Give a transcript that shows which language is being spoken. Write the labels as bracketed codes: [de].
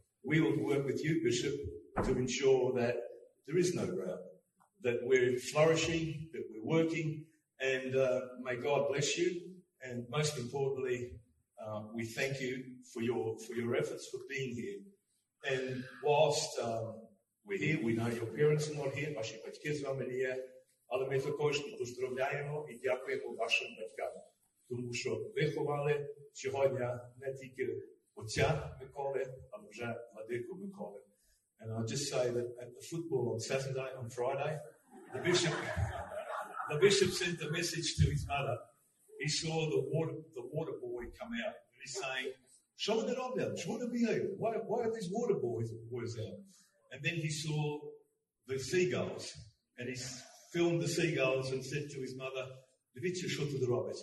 [en] We will work with you, Bishop, to ensure that there is no drought, that we're flourishing, that we're working, and may God bless you. And most importantly, we thank you for your efforts for being here. And whilst we're here, we know your parents are not here. [uk] Ваши батьки с вами не є, але ми також поздравляємо і дякуємо вашим батькам, тому що виховали сьогодні не тільки отця Миколи, але вже владику Миколи. [en] And I'll just say that at the football on Saturday, on Friday, the bishop sent a message to his mother. He saw the water boy come out, and he's saying, "Show that up now. Show the behavior. Why are these water boys out?" And then he saw the seagulls, and he filmed the seagulls and said to his mother, "The bishop showed to the rubbish.